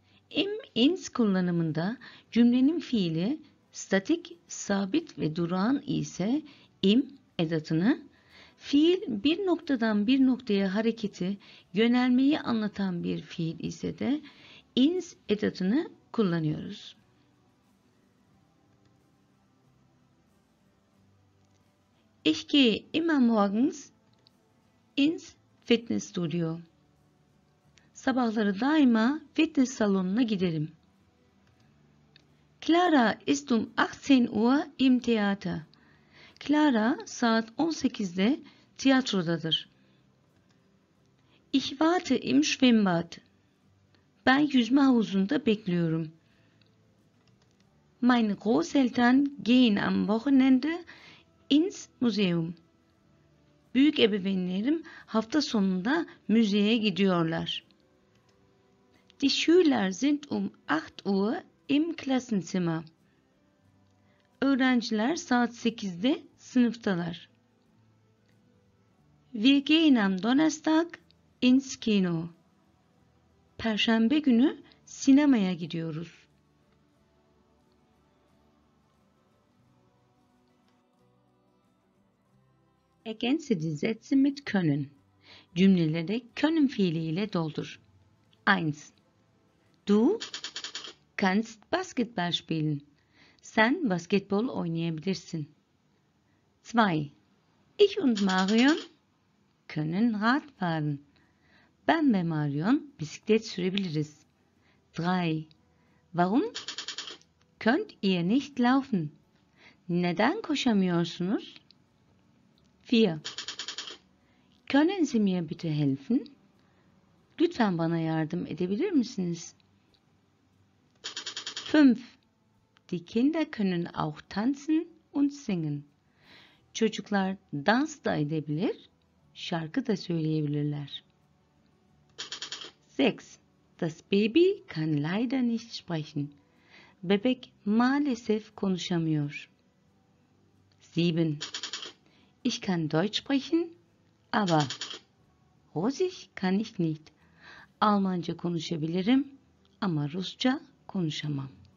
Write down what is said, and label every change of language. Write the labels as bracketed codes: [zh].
[tr] Im, ins kullanımında cümlenin fiili statik, sabit ve durağan ise im edatını, fiil bir noktadan bir noktaya hareketi, yönelmeyi anlatan bir fiil ise de ins edatını kullanıyoruz. [de] Ich gehe immer morgens ins Fitnessstudio. [tr] Sabahları daima fitness salonuna giderim. [de] Clara ist um 18 Uhr im Theater. [tr] Clara saat 18'de tiyatrodadır. [de] Ich warte im Schwimmbad. [tr] Ben yüzme havuzunda bekliyorum. [de] Meine Großeltern gehen am Wochenende ins Museum. [tr] Büyük ebeveynlerim hafta sonunda müzeye gidiyorlar. [de] Die Schüler sind um 8 Uhr im Klassenzimmer. [tr] Öğrenciler saat 8'de sınıftalar. [de] Wir gehen am Donnerstag ins Kino. [tr] Perşembe günü sinemaya gidiyoruz. [de] Ergänze die Sätze mit können. [tr] Cümleleri können fiiliyle doldur. [de] 1. Du kannst Basketball spielen. [tr] Sen basketbol oynayabilirsin. 2. [de] Ich und Marion können Rad fahren. [tr] Ben ve Marion bisiklet sürebiliriz. 3. [de] Warum könnt ihr nicht laufen? [tr] Neden koşamıyorsunuz? 4. [de] Können Sie mir bitte helfen? [tr] Lütfen bana yardım edebilir misiniz? 5. [de] Die Kinder können auch tanzen und singen. [tr] Çocuklar dans da edebilir, şarkı da söyleyebilirler. 6. [de] Das Baby kann leider nicht sprechen. [tr] Bebek maalesef konuşamıyor. 7. [de] Ich kann Deutsch sprechen, aber Russisch kann ich nicht. [tr] Almanca konuşabilirim ama Rusça konuşamam.